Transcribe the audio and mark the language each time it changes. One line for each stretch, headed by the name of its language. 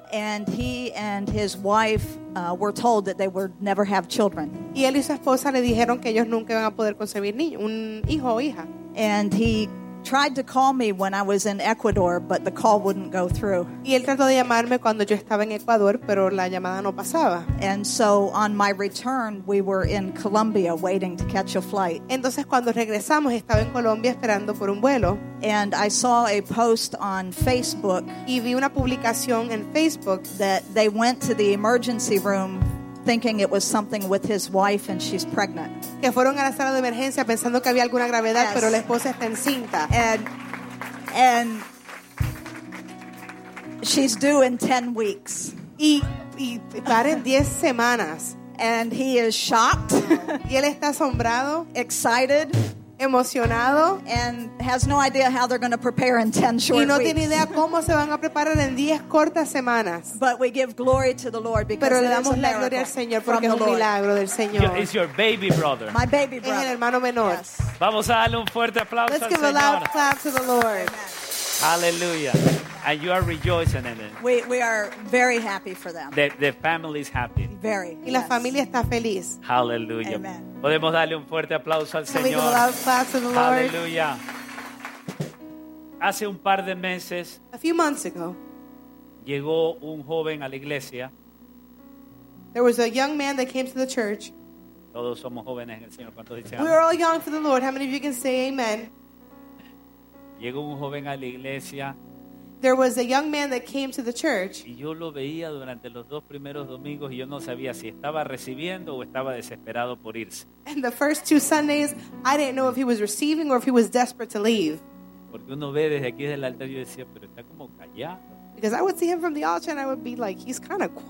English: And he and his wife were told that they would never have children.
Spanish: Y él y su esposa le dijeron que ellos nunca iban a poder concebir un hijo o hija.
English: And he tried to call me when I was in Ecuador, but the call wouldn't go through.
Spanish: Y él trató de llamarme cuando yo estaba en Ecuador, pero la llamada no pasaba.
English: And so on my return, we were in Colombia waiting to catch a flight.
Spanish: Entonces cuando regresamos, estaba en Colombia esperando por un vuelo.
English: And I saw a post on Facebook.
Spanish: Y vi una publicación en Facebook
English: that they went to the emergency room thinking it was something with his wife and she's pregnant.
Spanish: Que fueron a la sala de emergencia pensando que había alguna gravedad, pero la esposa está encinta.
English: And she's due in 10 weeks.
Spanish: Y paren 10 semanas.
English: And he is shocked.
Spanish: Y él está asombrado.
English: Excited.
Spanish: Emocionado.
English: And has no idea how they're going to prepare in 10 short weeks.
Spanish: Y no tiene idea cómo se van a preparar en 10 cortas semanas.
English: But we give glory to the Lord because
Spanish: pero le damos la gloria al Señor porque es un milagro del Señor.
English: It's your baby brother. My baby brother.
Spanish: Es el hermano menor.
English: Yes.
Spanish: Vamos a darle un fuerte aplauso
English: Let's
Spanish: al Señor.
English: Let's give a loud clap to the Lord. Amen. Hallelujah. And you are rejoicing in it. We are very happy for them. The family is happy. Very.
Spanish: Y la familia está feliz. Hallelujah. Amen. Podemos darle un fuerte aplauso al Señor.
English: Can we give a loud clap to the Lord?
Spanish: Hallelujah. Hace un par de meses.
English: A few months ago.
Spanish: Llegó un joven a la iglesia.
English: There was a young man that came to the church.
Spanish: Todos somos jóvenes en el Señor. ¿Cuántos dicen?
English: We are all young for the Lord. How many of you can say amen?
Spanish: Llegó un joven a la iglesia.
English: There was a young man that came to the church.
Spanish: Y yo lo veía durante los dos primeros domingos y yo no sabía si estaba recibiendo o estaba desesperado por irse.
English: And the first two Sundays, I didn't know if he was receiving or if he was desperate to leave.
Spanish: Porque uno ve desde aquí desde el altar y yo decía, pero está como callado.
English: Because I would see him from the altar and I would be like, he's kind of quiet.